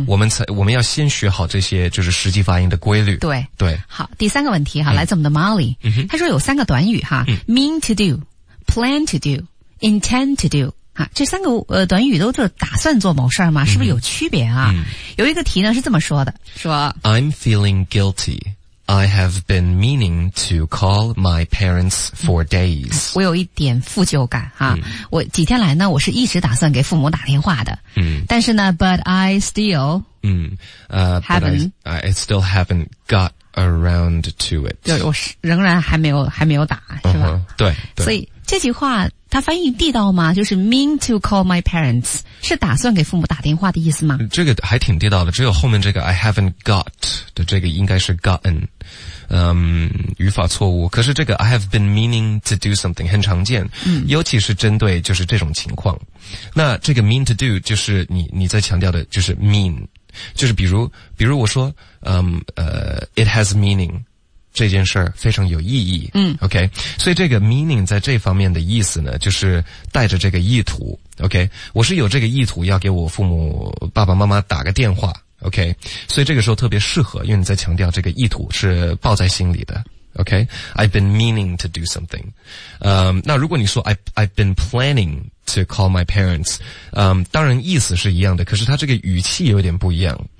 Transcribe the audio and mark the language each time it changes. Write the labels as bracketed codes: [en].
[zh] 我们要先学好这些，就是实际发音的规律。对对。好，第三个问题哈、嗯，来自我们的 Molly，、嗯、他说有三个短语哈、嗯、 [en] ，mean to do, plan to do, intend to do。 [zh] 哈，这三个短语都是打算做某事儿吗、嗯？是不是有区别啊？嗯、有一个题呢是这么说的，说 [en] I'm feeling guilty. I have been meaning to call my parents for days.、 [zh] 嗯、我有一点负疚感哈、嗯，我几天来呢，我是一直打算给父母打电话的。嗯，但是呢 [en] ，but I still haven't. I still haven't got. Around to it. [zh] 对，我仍然还没有打，是吧？ [en] Uh-huh, [zh] 对，所以这句话它翻译地道吗？就是 [en] mean to call my parents [zh] 是打算给父母打电话的意思吗？这个还挺地道的，只有后面这个 [en] I haven't got [zh] 的这个应该是 gotten， 语法错误。可是这个 [en] I have been meaning to do something [zh] 很常见，嗯，尤其是针对就是这种情况。那这个 mean to do 就是你在强调的就是 mean。就是比如我说 [en] it has meaning， [zh] 这件事儿非常有意义，嗯 ,OK， 所以这个 meaning 在这方面的意思呢就是带着这个意图， OK， 我是有这个意图要给我父母爸爸妈妈打个电话， OK， 所以这个时候特别适合，因为你在强调这个意图是抱在心里的， OK， [en] I've been meaning to do something， [zh] 那如果你说 [en] I've been planning to call my parents， [zh] 当然意思是一样的，可是它这个语气有点不一样。